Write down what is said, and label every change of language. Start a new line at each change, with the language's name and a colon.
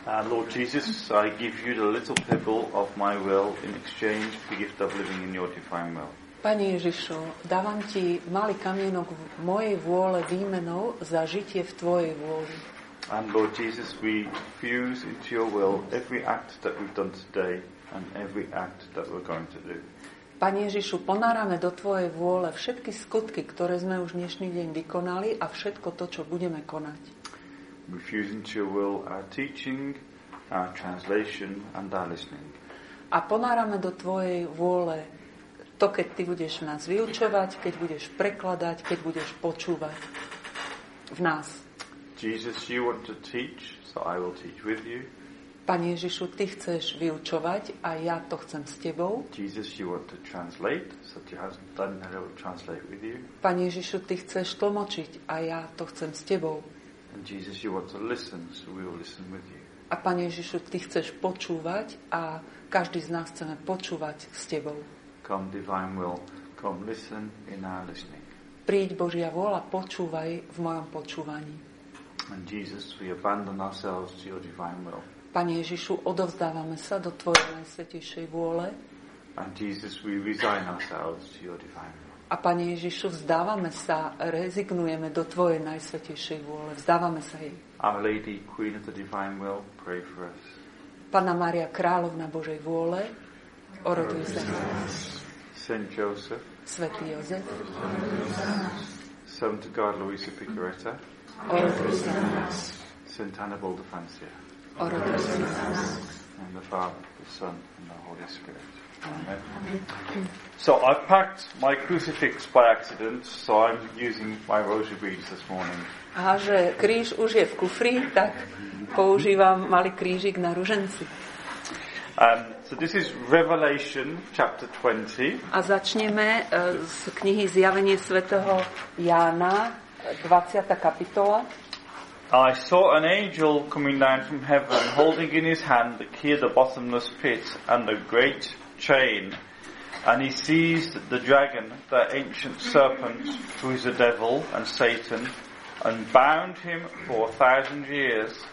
English: Lord Jesus, I give you the little pebble of my will in exchange for the gift of living in your divine will.
Slovak: Pane Ježišu, dávam ti malý kamienok v mojej vôle výmenou za žitie v tvojej vôli.
English: And Lord Jesus, we fuse into your will every act that we've done today and every act that we're going to do.
Slovak: Pane Ježišu, ponárame do tvojej vôle všetky skutky, ktoré sme už dnešný deň vykonali a všetko to, čo budeme konať.
English: We fuse into your will our teaching, our translation and our listening.
Slovak: A ponárame do tvojej vôle to, keď ty budeš nás vyučovať, keď budeš prekladať, keď budeš počúvať v nás.
English: Jesus, you want to teach, so I will teach with you.
Slovak: Pane Ježišu, ty chceš vyučovať a ja to chcem s tebou.
English: Jesus, you want to translate, so Jesus, then I will translate with you.
Slovak: Pane Ježišu, ty chceš tlmočiť a ja to chcem s tebou.
English: And Jesus, you want to listen, so we will listen with you.
Slovak: A Pane Ježišu, ty chceš počúvať a každý z nás chceme počúvať s tebou.
English: Come divine will, come listen in our listening.
Slovak: Príď Božia vôľa, počúvaj v mojom počúvaní.
English: And Jesus, we abandon ourselves to your divine will.
Slovak: Pane Ježišu, odovzdávame sa do tvojej najsvätejšej vôle.
English: And Jesus, we resign ourselves to your divine will.
Slovak: A Pane Ježišu, vzdávame sa, rezignujeme do tvojej najsvätejšej vôle, vzdávame sa jej.
English: Our Lady, Queen of the Divine Will, pray for us.
Slovak: Panna Mária, Královna Božej vôle, oroduj za nás.
English: Saint Joseph,
Slovak: Svätý Jozef,
English: Son to God Luisa Picaretta,
Slovak: oroduj za nás.
English: Saint Annabel de Francia,
Slovak: oroduj za nás.
English: And the Father, the Son, and the Holy Spirit. Amen. So I've packed my crucifix by accident, so I'm using my rosary beads this morning.
Slovak: A že kríž už je v kufri, tak používam malý krížik na ruženci.
English: So this is Revelation chapter 20.
Slovak: A začneme z knihy Zjavenie svätého Jána, 20. kapitola.
English: I saw an angel coming down from heaven, holding in his hand the key of the bottomless pit and the great chain. And he seized the dragon, that ancient serpent, who is the devil and Satan, and bound him for 1,000 years.